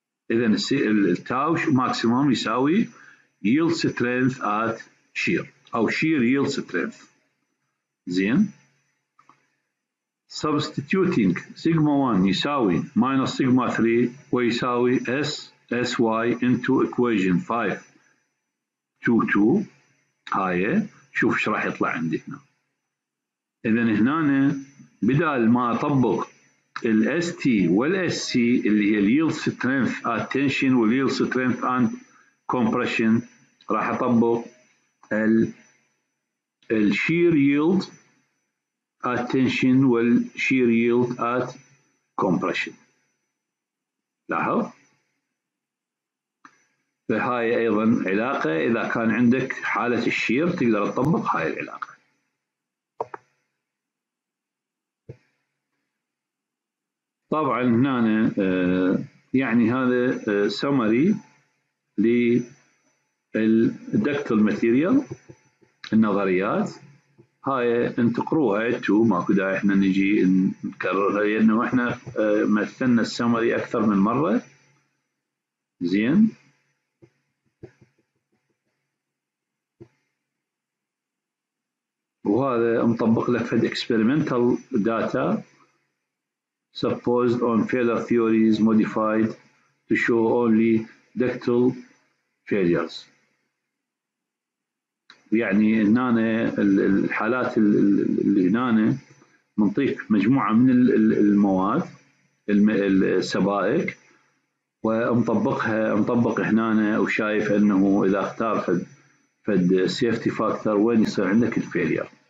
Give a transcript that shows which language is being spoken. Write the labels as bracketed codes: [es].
[ar] إذن التاو maximum يساوي yield strength at shear أو shear yield strength. زين. [en] Substituting sigma 1 يساوي minus sigma 3 ويساوي S SY into equation 5 2 2. [ar] هاي شوف ايش راح يطلع عندي هنا. اذا هنا بدال ما اطبق ال ST وال SC اللي هي yield strength at tension و yield strength and compression، راح اطبق ال shear yield at tension وال shear yield at compression. لاحظ هاي ايضا علاقة، اذا كان عندك حالة الشير تقدر تطبق هاي العلاقة. طبعا هنا يعني هذا سمري للدكتل ماتيريال النظريات، هاي انتقروها انتو ماكو داعي احنا نجي نكررها لانه احنا مثلنا السمري اكثر من مرة. زين. وهذا مطبق لك فد [en] experimental data supposed on failure theories modified to show only ductile failures. [ar] يعني هنا الحالات اللي هنا منطيق مجموعة من المواد السبائك ومطبقها مطبق هنا وشايف انه اذا اختار فد safety factor وين يصير عندك الفيلير.